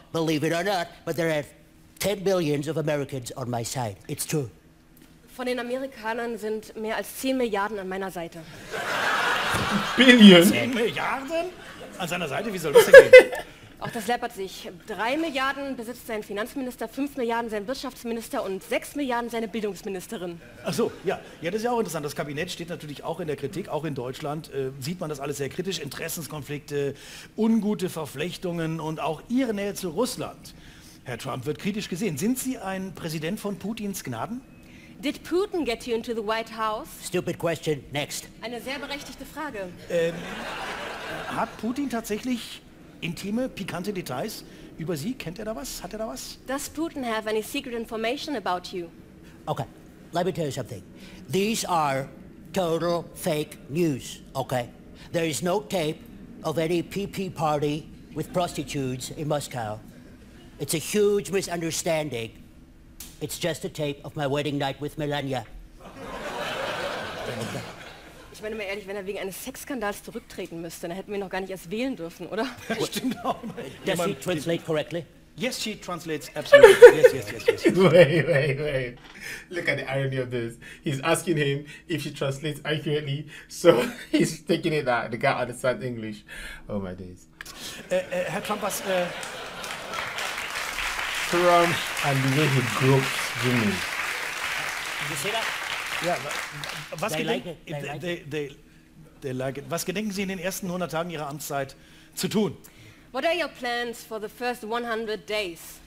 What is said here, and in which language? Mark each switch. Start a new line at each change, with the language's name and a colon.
English: Believe it or not, but there are 10 billions of Americans on my side. It's true.
German: Von den Amerikanern sind mehr als 10 Milliarden an meiner Seite.
English: Billion?
German: 10 Milliarden? An seiner Seite? Wie soll das denn gehen? Auch das läppert sich. 3 Milliarden besitzt sein Finanzminister, 5 Milliarden sein Wirtschaftsminister und 6 Milliarden seine Bildungsministerin. Ach so, ja. Ja, das ist ja auch interessant. Das Kabinett steht natürlich auch in der Kritik, auch in Deutschland. Sieht man das alles sehr kritisch. Interessenskonflikte, ungute Verflechtungen und auch Ihre Nähe zu Russland. Herr Trump wird kritisch gesehen. Sind Sie ein Präsident von Putins Gnaden?
English: Did Putin get you into the White House? Stupid question. Next.
German: Eine sehr berechtigte Frage. Hat Putin tatsächlich intime, pikante Details über Sie? Kennt er da was? Hat er da was?
English: Does Putin have any secret information about you? Okay, let me tell you something. These are total fake news, okay? There is no tape of any PP party with prostitutes in Moscow. It's a huge misunderstanding. It's just a tape of my wedding night with Melania.
German: Ich meine mal ehrlich, wenn er wegen eines Sexskandals zurücktreten müsste, dann hätten wir ihn noch gar nicht erst wählen dürfen, oder? Stimmt auch.
English: Does she translate correctly? Yes, she translates absolutely. Yes. Wait. Look at the irony of this. He's asking him if she translates accurately, so he's taking it that the guy understands English. Oh my days.
German: Herr Trump, was...
English: Trump and the way he groups Jimmy. Did you see that? Yeah, was they like it.
German: Was gedenken Sie in den ersten 100 Tagen Ihrer Amtszeit zu tun?
English: What are your plans for the first 100 days?